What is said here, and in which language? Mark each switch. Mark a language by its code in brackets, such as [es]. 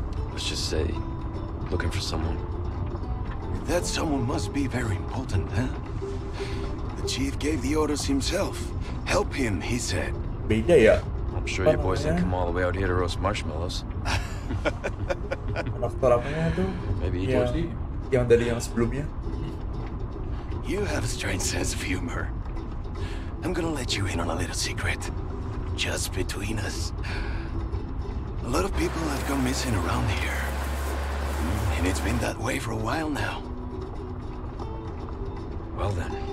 [en] Let's just say, looking for someone. That someone must be very important, huh? The chief gave the orders himself. Help him, he said. [id] Beda ya. [en] I'm sure you boys didn't come all the way out here to roast marshmallows. [id] Aktor apanya tuh? [en] Maybe he told you. [id] Yang dari yang sebelumnya. [en] You have a strange sense of humor. I'm gonna let you in on a little secret. Just between us. A lot of people have gone missing around here. And it's been that way for a while now. Well then.